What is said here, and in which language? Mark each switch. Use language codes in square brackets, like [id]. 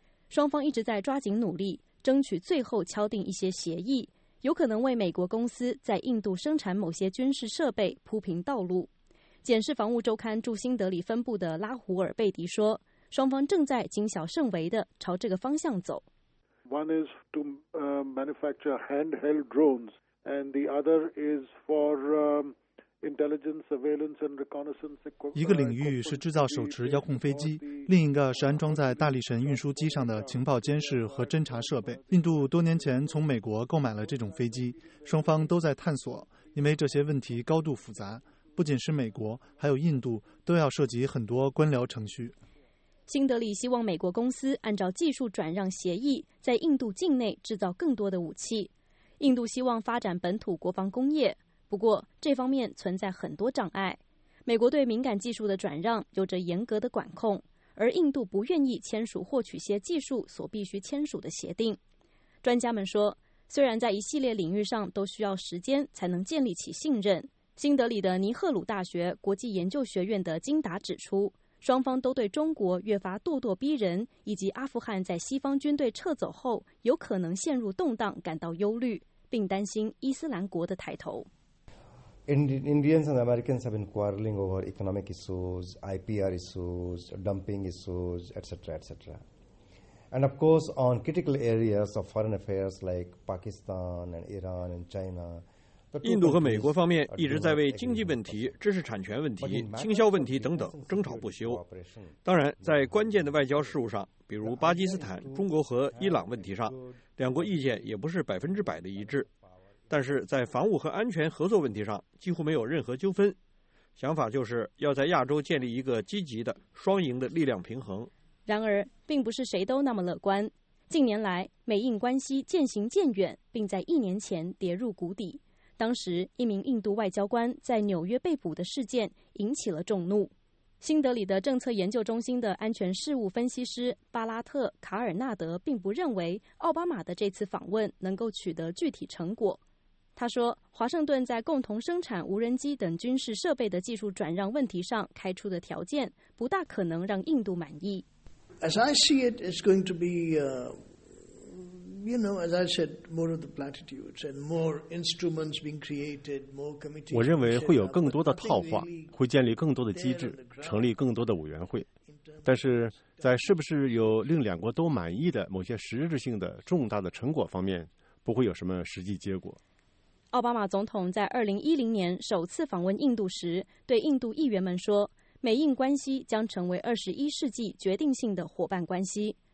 [zh] 双方一直在抓紧努力，争取最后敲定一些协议，有可能为美国公司在印度生产某些军事设备铺平道路。检视防务周刊驻新德里分部的拉胡尔贝迪说，双方正在谨小慎微地朝这个方向走。 [en] One is to manufacture handheld drones, and the other is for intelligence surveillance and reconnaissance equipment. [zh] 一个领域是制造手持遥控飞机，另一个是安装在大力神运输机上的情报监视和侦察设备。印度多年前从美国购买了这种飞机，双方都在探索，因为这些问题高度复杂。不仅是美国，还有印度都要涉及很多官僚程序。新德里希望美国公司按照技术转让协议，在印度境内制造更多的武器。印度希望发展本土国防工业，不过这方面存在很多障碍。美国对敏感技术的转让有着严格的管控，而印度不愿意签署获取些技术所必须签署的协定。专家们说，虽然在一系列领域上都需要时间才能建立起信任，新德里的尼赫鲁大学国际研究学院的金达指出，双方都对中国越发咄咄逼人以及阿富汗在西方军队撤走后有可能陷入动荡感到忧虑，并担心伊斯兰国的抬头。 [en] Indians and Americans have been quarreling over economic issues, IPR issues, dumping issues, etc., etc. And of course, on critical areas of foreign affairs like Pakistan and Iran and China, [zh] 印度和美国方面一直在为经济问题、知识产权问题、倾销问题等等争吵不休。当然，在关键的外交事务上，比如巴基斯坦、中国和伊朗问题上，两国意见也不是100%的一致。但是在防务和安全合作问题上，几乎没有任何纠纷。想法就是要在亚洲建立一个积极的、双赢的力量平衡。然而，并不是谁都那么乐观。近年来，美印关系渐行渐远，并在一年前跌入谷底。当时，一名印度外交官在纽约被捕的事件引起了众怒。新德里的政策研究中心的安全事务分析师巴拉特·卡尔纳德并不认为奥巴马的这次访问能够取得具体成果。他说，华盛顿在共同生产无人机等军事设备的技术转让问题上开出的条件不大可能让印度满意。 [en] As I see it, it's going to be,You know, as I said, more of the platitudes and more instruments being created, more committees. [zh] 我认为会有更多的套话，会建立更多的机制，成立更多的委员会。但是在是不是有令两国都满意的某些实质性的重大的成果方面，不会有什么实际结果。奥巴马总统在2010年首次访问印度时，对印度议员们说，美印关系将成为21世纪决定性的伙伴关系。